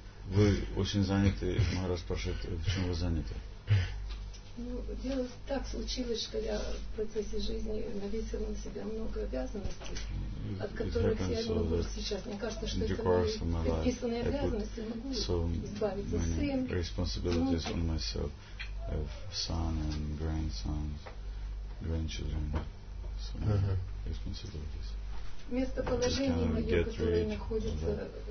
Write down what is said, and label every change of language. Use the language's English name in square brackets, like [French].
[Russian] Вы очень заняты, Махарадж спрашивает, почему вы заняты? Ну, дело так случилось, что я в процессе жизни навесила на себя много обязанностей, от которых я не могу сейчас. Мне кажется, что это мои предписанные обязанности, могу избавиться от сын. [English] I have son and grandsons, grandchildren, so many responsibilities. [Russian] Место положения мое, которое находится...